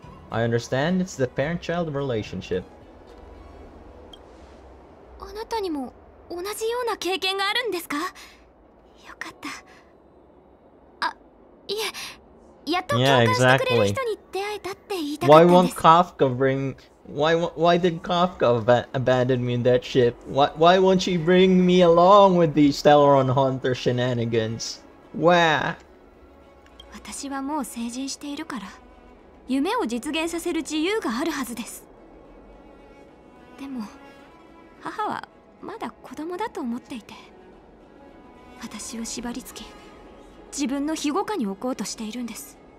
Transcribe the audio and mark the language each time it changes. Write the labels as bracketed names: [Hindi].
[English] I understand. It's the parent-child relationship. [Japanese] あなたにも同じような経験があるんですか？よかった。あ、いえ、やっと共感してくれる人に出会えたって言いたかったんです。 [English] Why won't Kafka bring? Why did Kafka abandon me in that ship? Why won't she bring me along with the Stellaron Hunter shenanigans? Where? [Japanese] 私はもう成人しているから、夢を実現させる自由があるはずです。でも、母はまだ子供だと思っていて、私を縛り付け、自分の庇護下に置こうとしているんです。